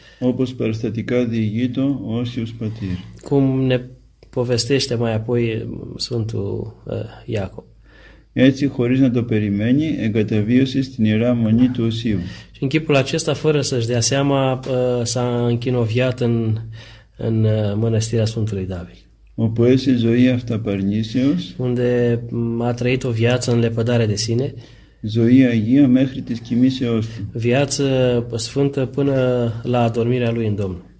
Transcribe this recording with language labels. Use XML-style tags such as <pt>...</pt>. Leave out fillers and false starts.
<el>όπως περιστατικά διηγείται ο Όσιος Πατήρ.</el> <ro>Cum ne povestește mai apoi Sfântul Iacob.</ro> <el>Έτσι, χωρίς να το περιμένει, εγκαταβίωσε στην ιερά μονή του Οσίου.</el> <ro>Și în chipul acesta, fără să-și dea seama, s-a închinoviat în mănăstirea Sfântului David.</ro> <el>Όπου έζησε ζωή αυταπαρνήσεως,</el> <ro>unde a trăit o viață în lepădare de sine,</ro> <el>ζωή Αγία μέχρι της κοιμήσεώς του.</el> <ro>Viață sfântă până la adormirea lui în Domnul.</ro>